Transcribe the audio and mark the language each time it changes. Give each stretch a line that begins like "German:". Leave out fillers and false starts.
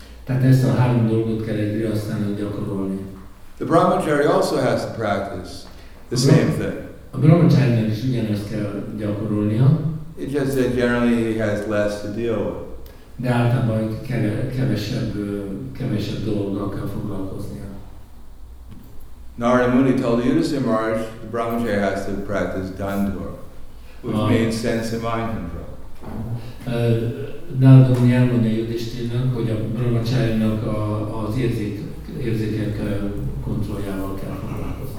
Hungarian: Tehát ezt a három dolgot kell egy grihasthának gyakorolni.
English: The brahmachari also has to practice the same thing.
Hungarian: A brahmacharinak is ugyanezt kell gyakorolnia.
English: It just that generally he has less to deal with.
Hungarian: De általában kevesebb dolgokkal kell foglalkoznia.
English: Narada Muni told Yudhisthira Maharaj, the brahmachari has to practice dandur, which means sense and mind control.
Hungarian: Narada Muni elmondja Yudhisthirának, hogy a brahmacharinak az érzékek kontrolljával kell foglalkozni.